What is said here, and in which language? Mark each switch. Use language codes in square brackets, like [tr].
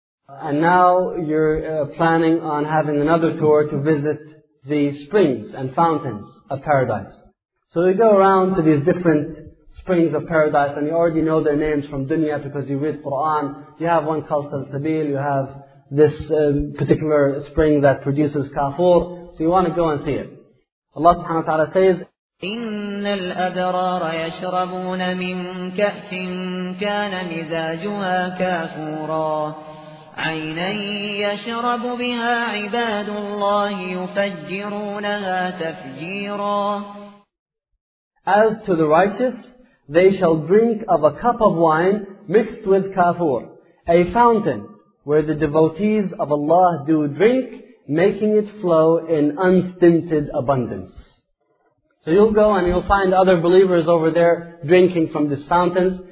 [en] And now you're planning on having another tour to visit the springs and fountains of paradise. So you go around to these different springs of paradise, and you already know their names from dunya because you read Quran. You have one called Salsabil, you have this particular spring that produces kafur. So you want to go and see it. Allah subhanahu wa ta'ala says, [ar] إِنَّ الْأَبْرَارَ يَشْرَبُونَ مِنْ كَأْسٍ كَانَ مِزَاجُهَا كَافُورًا عينا يشرب بها عباد الله يفجرونها تفجيرا. [en] As to the righteous, they shall drink of a cup of wine mixed with kafur, a fountain where the devotees of Allah do drink, making it flow in unstinted abundance. So you'll go and you'll find other believers over there drinking from these fountains.